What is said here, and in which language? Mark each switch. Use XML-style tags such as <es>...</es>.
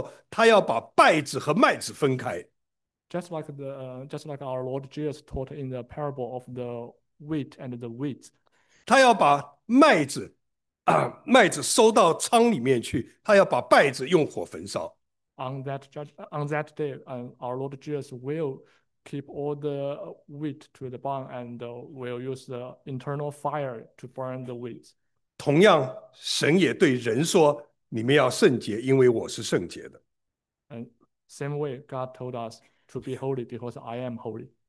<zh>就像主耶稣在比喻里面这个所讲的一样，到他要再来的时候，他要把稗子和麦子分开。</zh> <en>Just like just like our Lord Jesus taught in the parable of the wheat and the weeds.</en> <zh>他要把麦子收到仓里面去，他要把稗子用火焚烧。</zh> <en>On that day, our Lord Jesus will keep all the wheat to the barn and will use the internal fire to burn the weeds.</en> <zh>同样，神也对人说：“你们要圣洁，因为我是圣洁的。”</zh> <en>And same way, God told us to be holy because I am holy.</en>